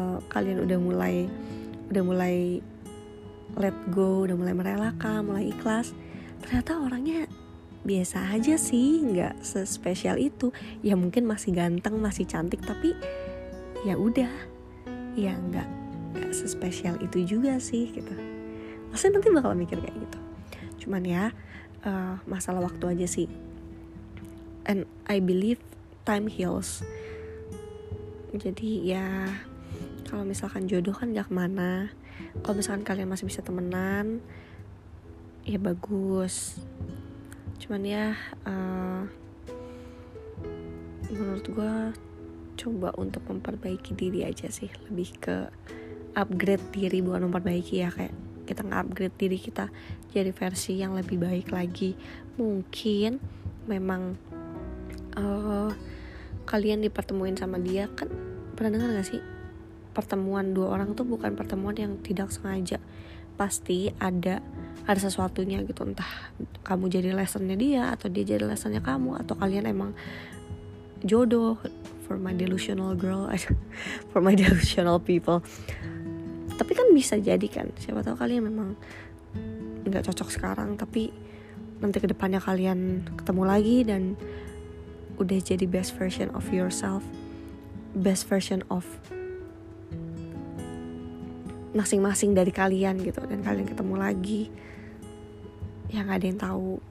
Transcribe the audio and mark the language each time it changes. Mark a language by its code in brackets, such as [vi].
[id] kalian udah mulai [en] let go, [id] udah mulai merelakan, mulai ikhlas, ternyata orangnya biasa aja sih, nggak sespesial itu. Ya mungkin masih ganteng, masih cantik, tapi ya udah, ya nggak sespesial itu juga sih gitu. Pasti nanti bakal mikir kayak gitu. Cuman ya masalah waktu aja sih. [en] And I believe time heals. [id] Jadi ya kalau misalkan jodoh kan gak kemana. Kalau misalkan kalian masih bisa temenan, ya bagus. Cuman ya menurut gue coba untuk memperbaiki diri aja sih. Lebih ke upgrade diri, bukan memperbaiki ya, kayak kita nge-upgrade diri kita jadi versi yang lebih baik lagi. Mungkin memang kalian dipertemuin sama dia, kan pernah dengar gak sih? Pertemuan dua orang tuh bukan pertemuan yang tidak sengaja. Pasti ada sesuatunya gitu. Entah kamu jadi lessonnya dia, atau dia jadi lessonnya kamu, atau kalian emang jodoh. [en] For my delusional girl, for my delusional people. [id] Tapi kan bisa jadi kan, siapa tahu kalian memang gak cocok sekarang, tapi nanti kedepannya kalian ketemu lagi dan udah jadi [en] best version of yourself, [id] best version of masing-masing dari kalian gitu, dan kalian ketemu lagi, ya gak ada yang tahu.